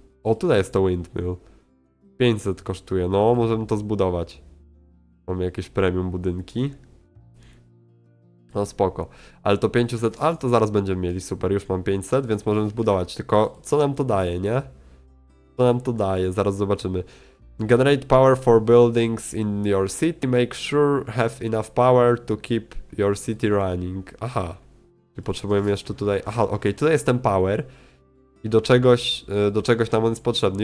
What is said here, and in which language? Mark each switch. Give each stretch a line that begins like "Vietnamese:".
Polish: O, tutaj jest to windmill. 500 kosztuje. No, możemy to zbudować. Mamy jakieś premium budynki. No spoko. Ale to 500, ale to zaraz będziemy mieli. Super, już mam 500, więc możemy zbudować. Tylko co nam to daje, nie? Co nam to daje? Zaraz zobaczymy.
English: Generate power for buildings in your city. Make sure have enough power to keep your city running. Aha.
Polish: I potrzebujemy jeszcze tutaj... Aha, okej, tutaj jest ten power. I do czegoś nam on jest potrzebny.